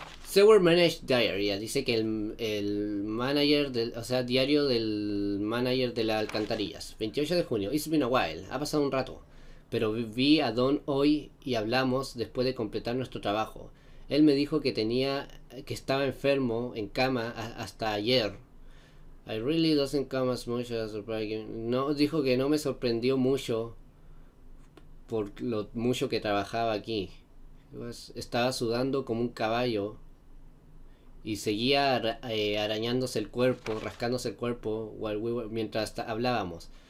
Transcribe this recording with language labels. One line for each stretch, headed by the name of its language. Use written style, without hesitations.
English: Sewer Managed Diary,
Spanish: dice que el manager del, o sea, diario del manager de las alcantarillas. 28 de junio,
English: it's been a while,
Spanish: ha pasado un rato. Pero vi a Don hoy y hablamos después de completar nuestro trabajo. Él me dijo que estaba enfermo en cama hasta ayer.
English: I really doesn't come as much as a surprise.
Spanish: No, dijo que no me sorprendió mucho por lo mucho que trabajaba aquí. Estaba sudando como un caballo y seguía arañándose el cuerpo, rascándose el cuerpo
English: while we were,
Spanish: mientras hablábamos.